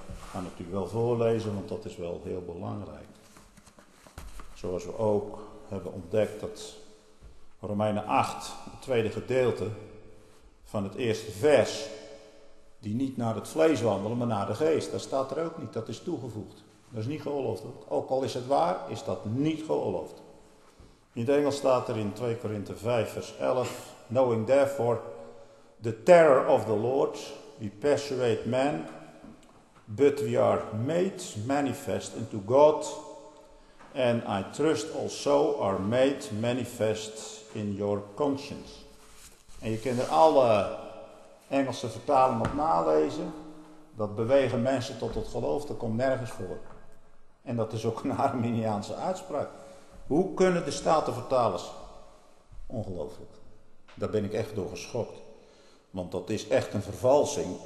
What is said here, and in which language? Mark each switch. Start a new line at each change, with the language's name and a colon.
Dutch: gaan het u wel voorlezen, want dat is wel heel belangrijk. Zoals we ook hebben ontdekt dat Romeinen 8, het tweede gedeelte van het eerste vers, die niet naar het vlees wandelen, maar naar de geest, dat staat er ook niet, dat is toegevoegd. Dat is niet geoorloofd. Ook al is het waar, is dat niet geoorloofd. In het Engels staat er in 2 Korinthe 5 vers 11,
English: knowing therefore the terror of the Lord, we persuade men, but we are made manifest unto God, and I trust also are made manifest in your conscience.
Dutch: En je kunt er alle Engelse vertalingen op nalezen, dat bewegen mensen tot het geloof, dat komt nergens voor. En dat is ook een Arminiaanse uitspraak. Hoe kunnen de Statenvertalers? Ongelooflijk. Daar ben ik echt door geschokt. Want dat is echt een vervalsing.